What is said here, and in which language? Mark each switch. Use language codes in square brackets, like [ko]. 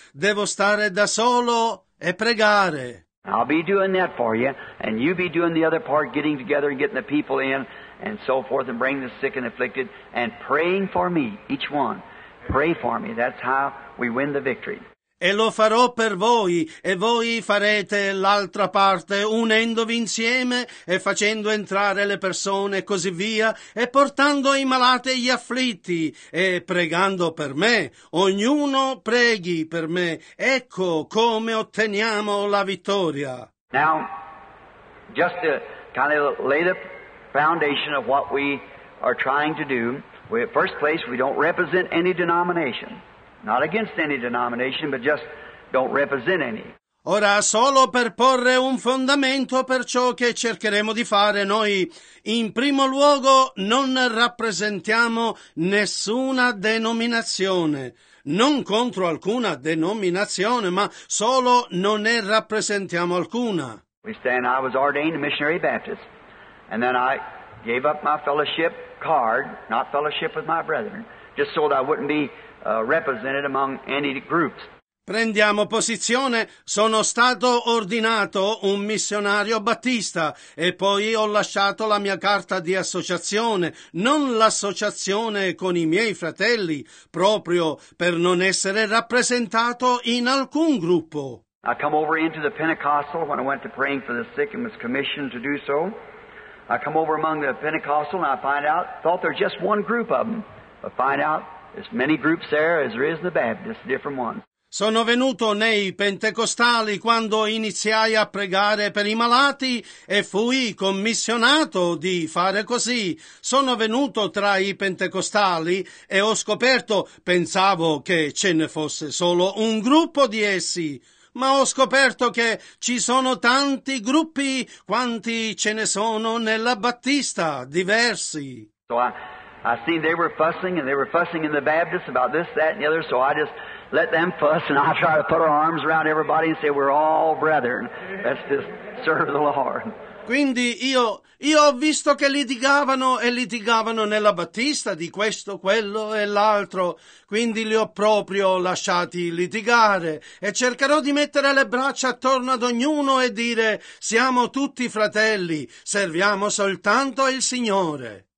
[it] Devo stare da solo e pregare. [en] I'll be doing that for you, and you be doing the other part, getting together and getting the people in, and so forth, and bring the sick and afflicted, and praying for me, each one. Pray for me. That's how we win the victory. [it] E lo farò per voi, e voi farete l'altra parte, unendovi insieme e facendo entrare le persone e così via, e portando i malati e gli afflitti, e pregando per me. Ognuno preghi per me. Ecco come otteniamo la vittoria. [en] Now, just to kind of lay the foundation of what we are trying to do, we, at first place, we don't represent any denomination. Not against any denomination, but just don't represent any. [it] Ora, solo per porre un fondamento per ciò che cercheremo di fare, noi, in primo luogo, non rappresentiamo nessuna denominazione. Non contro alcuna denominazione, ma solo non ne rappresentiamo alcuna. [en] We stand, I was ordained a missionary Baptist, and then I gave up my fellowship card, not fellowship with my brethren, just so that I wouldn't be represented among any groups. [it] Prendiamo posizione. Sono stato ordinato un missionario battista e poi ho lasciato la mia carta di associazione, non l'associazione con i miei fratelli, proprio per non essere rappresentato in alcun gruppo. [en] I come over into the Pentecostal when I went to praying for the sick and was commissioned to do so. I come over among the Pentecostal and I find out, thought there's just one group of them, but find out there's many groups there is in the Baptist, different ones. [it] Sono venuto nei pentecostali quando iniziai a pregare per i malati e fui commissionato di fare così. Sono venuto tra i pentecostali e ho scoperto, pensavo che ce ne fosse solo un gruppo di essi, ma ho scoperto che ci sono tanti gruppi quanti ce ne sono nella Battista, diversi. [en] So I seen they were fussing and they were fussing in the Baptist about this, that and the other, so I just let them fuss and I try to put our arms around everybody and say we're all brethren. Let's just serve the Lord. [it] Quindi io ho visto che litigavano e litigavano nella Battista di questo, quello e l'altro, quindi li ho proprio lasciati litigare e cercherò di mettere le braccia attorno ad ognuno e dire siamo tutti fratelli, serviamo soltanto il Signore.